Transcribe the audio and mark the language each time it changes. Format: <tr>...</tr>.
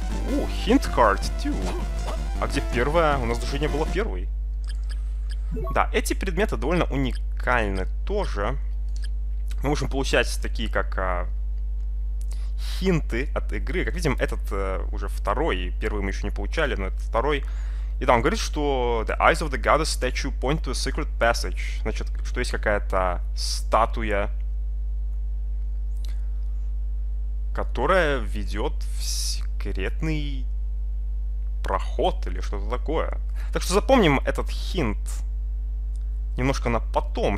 <ru>О,</ru> <en>hint card, too.</en> <ru>А где первая? У нас даже не было первой. Да, эти предметы довольно уникальны тоже. Мы можем получать такие, как хинты от игры. Как видим, этот уже второй. Первый мы еще не получали, но это второй. И да, он говорит, что</ru> <en>the eyes of the goddess statue point to a secret passage.</en> <ru>Значит, что есть какая-то статуя, которая ведет в секретный проход или что-то такое. Так что запомним этот хинт немножко на потом.</ru>